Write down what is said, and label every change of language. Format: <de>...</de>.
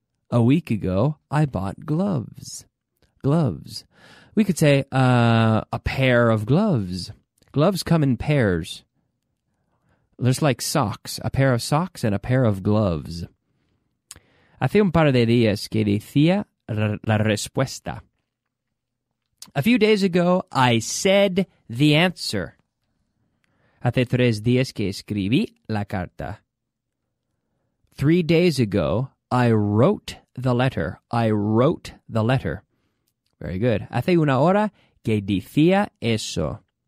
<en>A week ago, I bought gloves. Gloves. We could say a pair of gloves. Gloves come in pairs. There's like socks. A pair of socks and a pair of gloves.</en> <es>Hace un par de días que decía la respuesta.</es> <en>A few days ago, I said the answer.</en> <es>Hace tres días que escribí la carta.</es> <en>3 days ago, I wrote the letter. I wrote the letter. Very good.</en> <es>Hace una hora que decía eso.</es>